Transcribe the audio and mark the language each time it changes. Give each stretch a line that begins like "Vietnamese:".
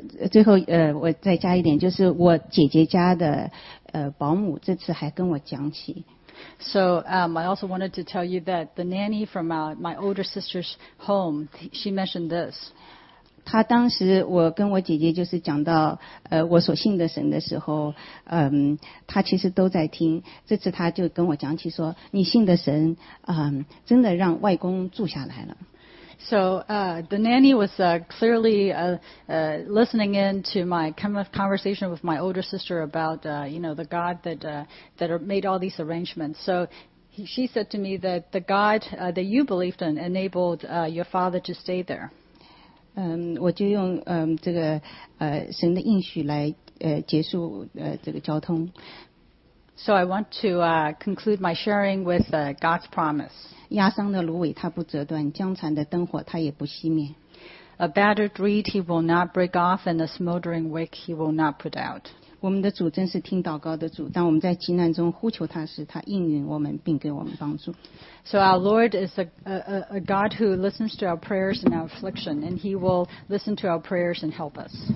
Chinese: 最后我再加一点，就是我姐姐家的保姆这次还跟我讲起。
English: So I also wanted to tell you that the nanny from my older sister's home, she mentioned this.
Chinese: 她当时我跟我姐姐就是讲到我所信的神的时候，她其实都在听。这次她就跟我讲起说，你信的神，真的让外公住下来了。
English: So the nanny was clearly listening in to my conversation with my older sister about the God that made all these arrangements. So she said to me that the God that you believed in enabled your father to stay there.
Chinese: 我就用这个神的应许来结束这个交通。
English: So I want to conclude my sharing with God's promise.
Chinese: 压伤的芦苇它不折断，江残的灯火它也不熄灭。
English: A battered reed he will not break off, and a smoldering wick he will not put out.
Chinese: 我们的主真是听祷告的主，当我们在急难中呼求他时，他应允我们并给我们帮助。
English: So our Lord is a God who listens to our prayers and our affliction, and he will listen to our prayers and help us.